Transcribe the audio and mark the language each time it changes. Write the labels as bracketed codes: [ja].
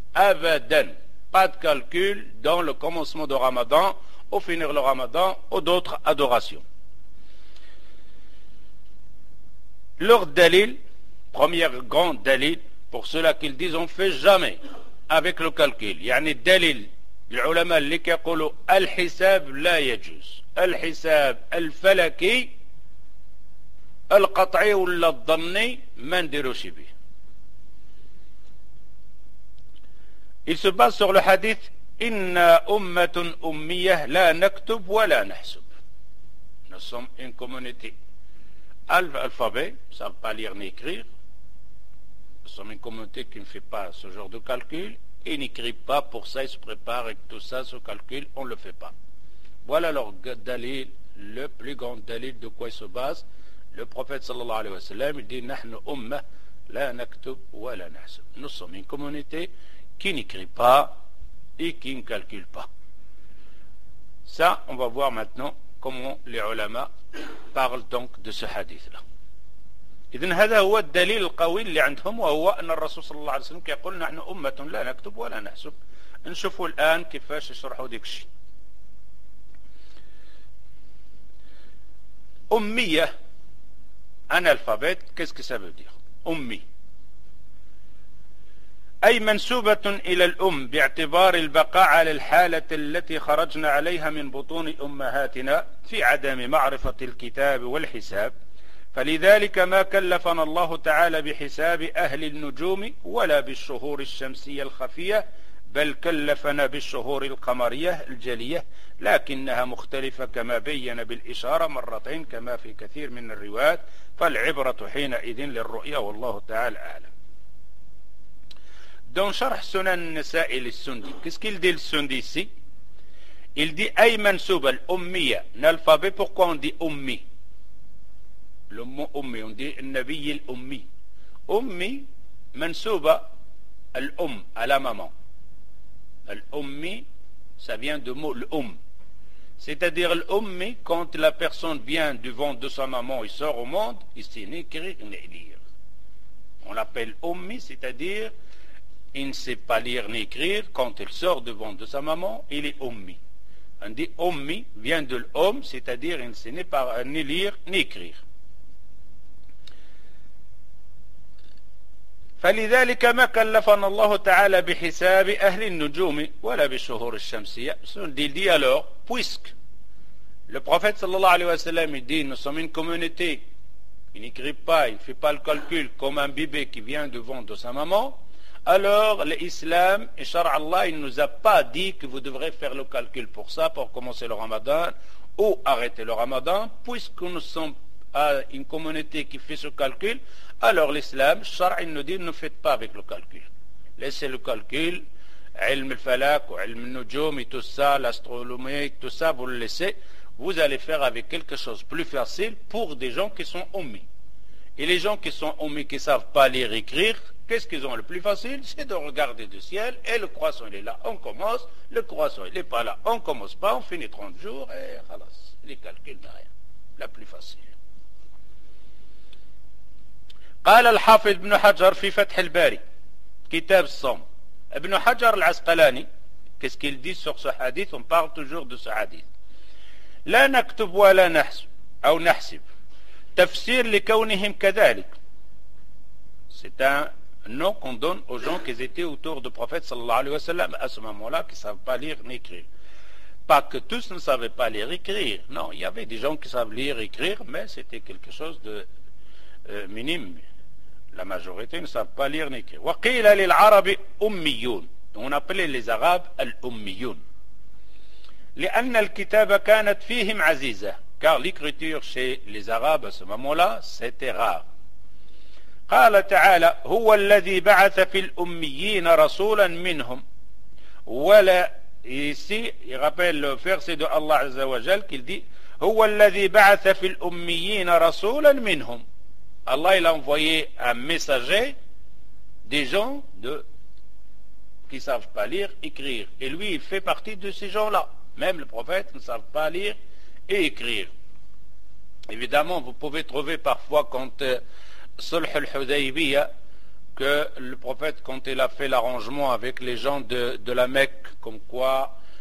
[fr] Avadan, pas de calcul dans le commencement de Ramadan, ou finir le Ramadan, ou d'autres adorations. Leur dalil, premier grand dalil, pour ceux-là qu'ils disent on ne fait jamais avec le calcul. Yani dalil, [ar] العلماء اللي كيقولوا الحساب لا يجوز، الحساب الفلكي القطعي ولا الظني ما نديروش به. [fr] Il se base sur le hadith [ar] Inna ummatun ummiyah la naktub wa la nahsub. [fr] Nous sommes une communauté alphabet, ne savent pas lire ni écrire. Nous sommes une communauté qui ne fait pas ce genre de calcul et n'écrit pas pour ça, ils se préparent et tout ça, ce calcul, on ne le fait pas. Voilà leur dalil, le plus grand dalil de quoi il se base. Le prophète sallallahu alayhi wa sallam, il dit [ar] Nahnu ummah la naktub wa la nahsub. [fr] Nous sommes une communauté qui n'écrit pas et qui ne calcule pas. Ça, on va voir maintenant comment les ulama parlent donc de ce hadith-là. [ar] إذن هذا هو الدليل القوي اللي عندهم وهو أن الرسول صلى الله عليه وسلم يقول نحن أمة لا نكتب ولا نحسب. نشوفوا الآن كيفاش يشرحوا ديك الشيء. أمية أنا الفابت كيس كيساب بديه أمي أي منسوبة إلى الأم باعتبار البقاء على الحالة التي خرجنا عليها من بطون أمهاتنا في عدم معرفة الكتاب والحساب، فلذلك ما كلفنا الله تعالى بحساب أهل النجوم ولا بالشهور الشمسية الخفية، بل كلفنا بالشهور القمرية الجلية، لكنها مختلفة كما بين بالإشارة مرتين كما في كثير من الروايات، فالعبرة حينئذ للرؤية والله تعالى أعلم. [fr] Dans Sharh Sunan Nisa'i al-Sundi, qu'est-ce qu'il dit le Sundi ici? Il dit [ar] Ay mansoub al-ummiya, [fr] l'alphabet, pourquoi on dit ummi? Le mot ummi, on dit Nabi al-ummi. Ummi, mansoub al-um, à la maman. Al-ummi, ça vient du mot l'um. C'est-à-dire l'ummi, quand la personne vient du ventre de sa maman, il sort au monde, il sait ni écrire ni lire. On l'appelle ummi, c'est-à-dire. Il ne sait pas lire ni écrire. Quand il sort devant de sa maman, il est ommi. On dit ommi vient de l'homme, c'est-à-dire il ne sait ni lire ni écrire. [ar] فلذلك ما كلفنا الله تعالى بحساب أهل النجوم ولا بشهور الشمسية. [fr] Il dit alors, puisque le prophète sallallahu alayhi wa sallam dit, nous sommes une communauté, il n'écrit pas, il ne fait pas le calcul comme un bébé qui vient devant de sa maman. Alors l'islam et Shara Allah, il ne nous a pas dit que vous devrez faire le calcul pour ça, pour commencer le ramadan ou arrêter le ramadan, puisque nous sommes à une communauté qui fait ce calcul. Alors l'islam, Shara, il nous dit ne faites pas avec le calcul, laissez le calcul, ilm al-falak, ilm al-nujum et tout ça, l'astronomie, tout ça, vous le laissez, vous allez faire avec quelque chose plus facile pour des gens qui sont ummi. Et les gens qui sont ummi, qui ne savent pas lire et écrire, qu'est-ce qu'ils ont le plus facile? C'est de regarder du ciel et le croissant il est là, on commence. Le croissant il n'est pas là, on ne commence pas, on finit 30 jours et khalas, les calculs derrière. La plus facile. [ar] قال الحافظ ابن حجر في فتح الباري كتاب الصوم. [fr] ابن حجر العسقلاني, qu'est-ce qu'il dit sur ce hadith? On parle toujours de ce hadith. [ar] لا نكتب ولا نحسب أو نحسب تفسير لكونهم كذلك. [fr] C'est un nom qu'on donne aux gens qui étaient autour du prophète sallallahu alayhi wa sallam à ce moment-là, qui ne savent pas lire ni écrire. Pas que tous ne savaient pas lire et écrire. Non, il y avait des gens qui savent lire et écrire, mais c'était quelque chose de minime. La majorité ne savent pas lire ni écrire. [ar] وَقِيلَ لِلْعَرَبِ أُمِّيُونَ. [fr] On appelait les Arabes الْأُمِّيُونَ. [ar] لِأَنَّ الْكِتَابَ كَانَتْ فِيهِمْ عَزِيزَةً. [fr] Car l'écriture chez les Arabes à ce moment-là, c'était rare. [ar] قال تعالى هو الذي بعث في الأميين رسولا منهم ولا [fr] ici il rappelle le verset de Allah [ar] عز وجل [fr] qu'il dit [ar] هو الذي بعث في الأميين رسولا منهم. [fr] Allah il a envoyé un messager des gens de qui ne savent pas lire écrire, et lui il fait partie de ces gens là même le prophète ne savent pas lire et écrire. Évidemment, vous pouvez trouver parfois quand Sulh al-Hudaybiyah, que le prophète, quand il a fait l'arrangement avec les gens de la Mecque, comme quoi